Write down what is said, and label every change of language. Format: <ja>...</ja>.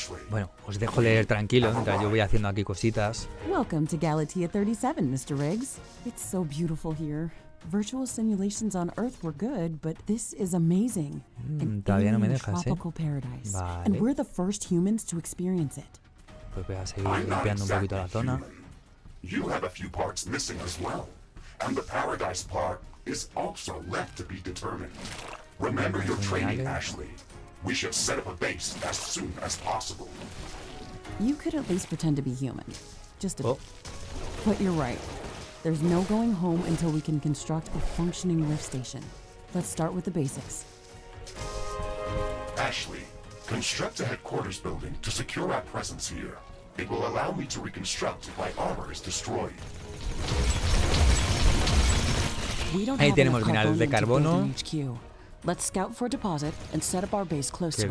<es>Bueno, os dejo leer tranquilo mientras yo voy haciendo aquí cositas.</es> <en>Welcome to Galatea 37, Mr. Riggs. It's so beautiful here. Virtual simulations on Earth were good, but this is amazing.</en> <es>Todavía no me dejas, ¿eh? Vale.</es> <en>And we're the first humans to experience it.</en> <es>Pues voy a seguir limpiando un poquito la zona.</es> <en>You have a few parts missing as well, and the paradise part is also left to be determined. Remember your training, Ashley. We should set up a base as soon as possible. You could at least pretend to be human. Just a bit. But you're right. There's no going home until we can construct a functioning lift station. Let's start with the basics. Ashley, construct a headquarters building to secure our presence here. It will allow me to reconstruct if my armor is destroyed.</en> <es>Ahí tenemos minerales de carbono.</es> <en>Let's scout for a deposit and set up our base close to it.</en>